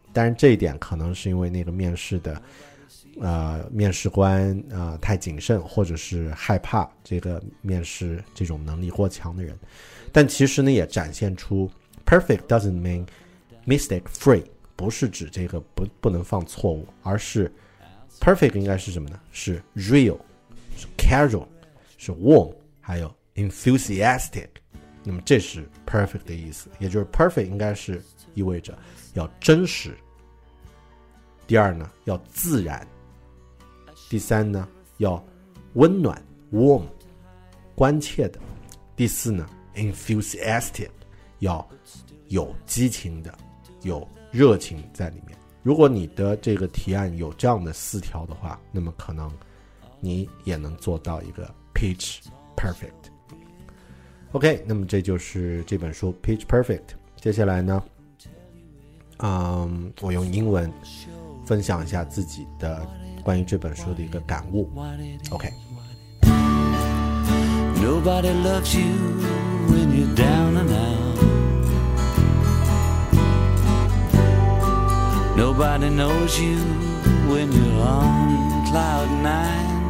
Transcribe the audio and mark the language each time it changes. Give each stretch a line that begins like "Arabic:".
Chinese: 但是这一点可能是因为那个面试的面试官太谨慎，或者是害怕这个面试这种能力过强的人。但其实呢，也展现出
English: perfect doesn't mean mistake free，
Chinese: 不是指这个不能犯错误，而是 perfect 应该是什么呢？是 real， 是 casual， 是 warm， 还有 enthusiastic。那么这是 perfect 的意思，也就是 perfect 应该是意味着要真实，第二呢要自然，第三呢要温暖 warm 关切的，第四呢 enthusiastic 要有激情的，有热情在里面。如果你的这个提案有这样的四条的话，那么可能你也能做到一个 pitch perfect。 OK， 那么这就是这本书 pitch perfect。接下来呢，我用英文分享一下自己的关于这本书的一个感悟。
English: OK， Nobody loves you when you're down and out. Nobody knows you when you're on cloud nine.